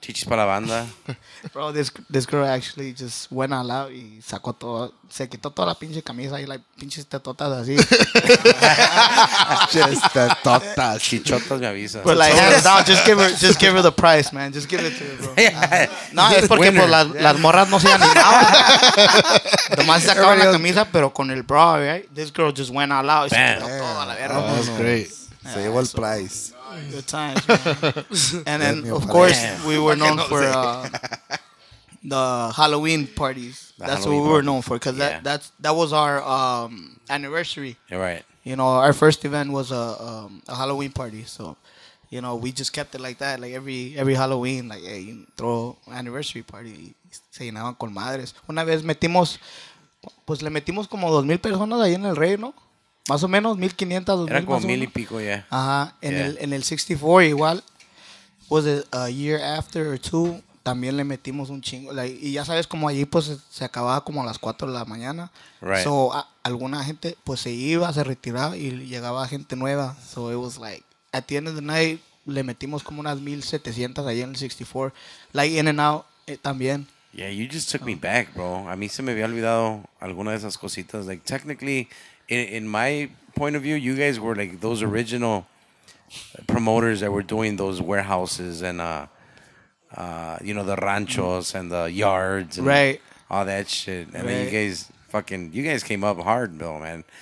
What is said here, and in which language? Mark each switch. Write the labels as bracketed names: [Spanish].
[Spanish] Chichis Pa La Banda. [English] Bro, this girl actually just went all out [Spanish] y sacó todo, se quitó toda la pinche camisa y like pinches tetotas así. [English] Just tetotas. [Spanish] Chichotas me avisa. [English] But like, hands down, just give her the price, man. Just give it to her, bro. Yeah. [Spanish] No, es porque pues, las morras no se animaban. Tomás sacaba la camisa, pero con el bra, [English] right? This girl just went all out [Spanish] y se quitó toda la verga. [English] That was great. [Spanish] Se llevó el price. [English] Good times, man. And then, of course, man. We were known for the Halloween parties. That's what we were known for because that was our anniversary. You're right. You know, our first event was a Halloween party. So, you know, we just kept it like that. Like every Halloween, like, hey, you throw anniversary party. [Spanish] Se llenaban con madres. Una vez metimos, pues le metimos como 2,000 personas ahí en el rey, ¿no? Más o menos 1,500, 2,000. Era como 1,000 y pico, ya. [English] Yeah. [Spanish] Ajá. En el 64 igual, [English] was it a year after or two, [Spanish] también le metimos un chingo. Like, y ya sabes, como allí, pues, se acababa como a las 4 de la mañana. [English] Right. [Spanish] So, alguna gente, pues, se iba, se retiraba y llegaba gente nueva. [English] So, it was like, at the end of the night, [Spanish] le metimos como unas 1,700 ahí en el 64. [English] Like, in and out, también. Yeah, you just took me back, bro. [Spanish] A mí se me había olvidado alguna de esas cositas. [English] Like, technically, in my point of view, you guys were like those original promoters that were doing those warehouses and, you know, the ranchos and the yards and right. all that shit. And right. then you guys fucking, you guys came up hard, bro, man.